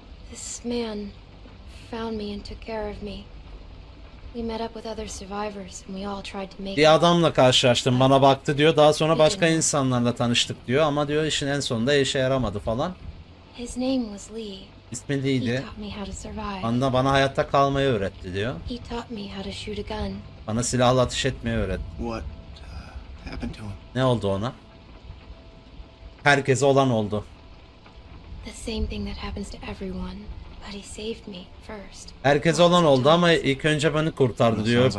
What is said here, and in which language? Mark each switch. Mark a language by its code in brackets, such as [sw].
[en] This man found me and took care of me. We met up with other survivors and we all tried to make. [tr] Bir adamla karşılaştım, bana baktı diyor. Daha sonra başka insanlarla tanıştık diyor. Ama diyor işin en sonunda işe yaramadı falan. [en] His name was Lee. [tr] İsmi Lee'di. Bana hayatta kalmayı öğretti diyor. [en] He taught me how to shoot a gun. [tr] Bana silahla ateş etmeyi öğretti. [en] What happened to him? [tr] Ne oldu ona? Herkese olan oldu. [en] The same thing that happens to everyone, but he saved me first. [tr] Herkese olan oldu ama ilk önce beni kurtardı diyor.